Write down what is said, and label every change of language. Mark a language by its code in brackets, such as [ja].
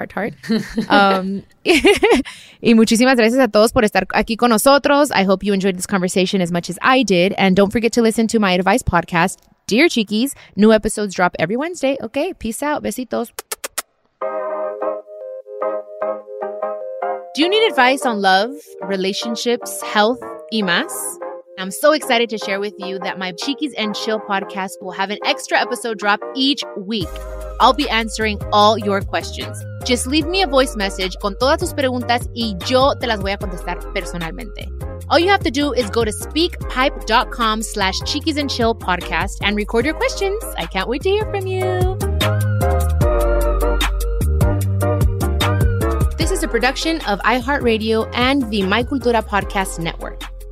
[es] y muchísimas gracias a todos por estar aquí con nosotros. [en] I hope you enjoyed this conversation as much as I did. And don't forget to listen to my advice podcast, Dear Cheekies. New episodes drop every Wednesday. Okay, peace out. Besitos. Do you need advice on love, relationships, health, [es] y más? [en] I'm so excited to share with you that my Cheekies and Chill podcast will have an extra episode drop each week. I'll be answering all your questions. Just leave me a voice message [es] con todas tus preguntas y yo te las voy a contestar personalmente. [en] All you have to do is go to speakpipe.com/Cheekies and Chill podcast and record your questions. I can't wait to hear from you. This is a production of iHeartRadio and the My Cultura Podcast Network.